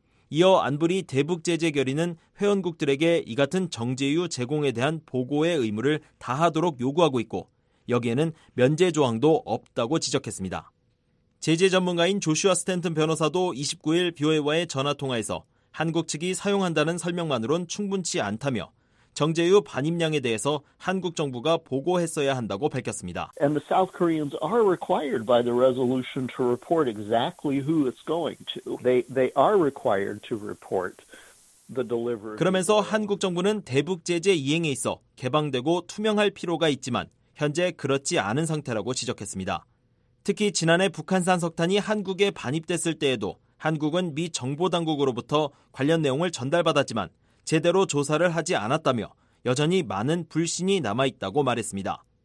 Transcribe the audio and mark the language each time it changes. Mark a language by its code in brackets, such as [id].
[ko] 이어 안보리 대북제재 결의는 회원국들에게 이 같은 정제유 제공에 대한 보고의 의무를 다하도록 요구하고 있고 여기에는 면제 조항도 없다고 지적했습니다. 제재 전문가인 조슈아 스탠튼 변호사도 29일 BOA와의 전화통화에서 한국 측이 사용한다는 설명만으론 충분치 않다며 정제유 반입량에 대해서 한국 정부가 보고했어야 한다고 밝혔습니다. [en] And the South Koreans are required by the resolution to report exactly who it's going to. They are required to report the delivery. [ko] 그러면서 한국 정부는 대북 제재 이행에 있어 개방되고 투명할 필요가 있지만 현재 그렇지 않은 상태라고 지적했습니다. 특히 지난해 북한산 석탄이 한국에 반입됐을 때에도 한국은 미 정보 당국으로부터 관련 내용을 전달받았지만 제대로 조사를 하지 않았다며 여전히 많은 불신이 남아있다고 말했습니다.